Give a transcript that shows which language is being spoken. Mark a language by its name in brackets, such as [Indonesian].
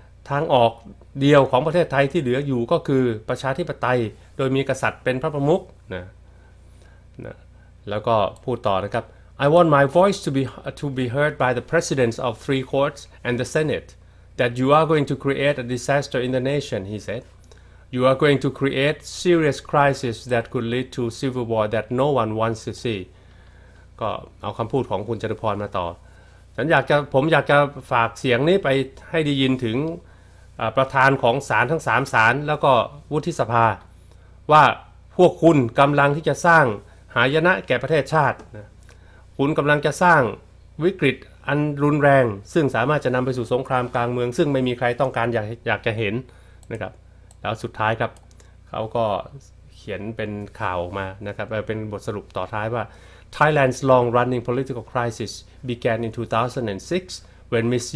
[Thai] ทางออกเดียวของประเทศไทยที่เหลืออยู่ก็คือประชาธิปไตยโดยมีกษัตริย์เป็นพระประมุขนะแล้วก็พูดต่อนะครับ [English] I want my voice to be heard by the presidents of three courts and the SenateThat you are going to create a disaster in the nation, he said. You are going to create serious crisis that could lead to civil war that no one wants to see. [Thai] ก็เอาคำพูดของคุณจตุพรมาต่อ ฉันอยากจะผมอยากจะฝากเสียงนี้ไปให้ได้ยินถึงประธานของศาลทั้ง3ศาลแล้วก็วุฒิสภา ว่าพวกคุณกำลังที่จะสร้างหายนะแก่ประเทศชาตินะคุณกำลังจะสร้างวิกฤตอันรุนแรงซึ่งสามารถจะนำไปสู่สงครามกลางเมืองซึ่งไม่มีใครต้องการอยากจะเห็นนะครับแล้วสุดท้ายครับเขาก็เขียนเป็นข่าวออกมานะครับเป็นบทสรุปต่อท้ายว่า [English] Thailand's long running political crisis began in 2006 when Ms.